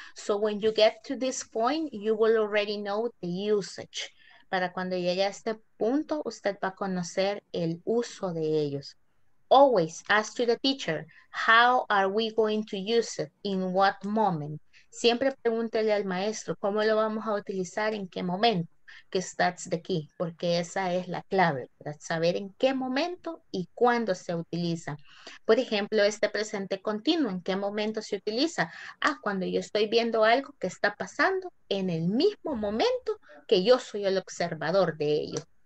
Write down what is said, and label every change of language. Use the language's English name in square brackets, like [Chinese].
[English] So when you get to this point, you will already know the usage. [Spanish] Para cuando llegue a este punto, usted va a conocer el uso de ellos. [English] Always ask to the teacher, how are we going to use it? In what moment? [Spanish] Siempre pregúntele al maestro, ¿cómo lo vamos a utilizar? ¿En qué momento? Que [English] that's the key, [Spanish] porque esa es la clave, ¿verdad? Saber en qué momento y cuándo se utiliza. Por ejemplo, este presente continuo, ¿en qué momento se utiliza? Ah, cuando yo estoy viendo algo que está pasando en el mismo momento que yo soy el observador de ello.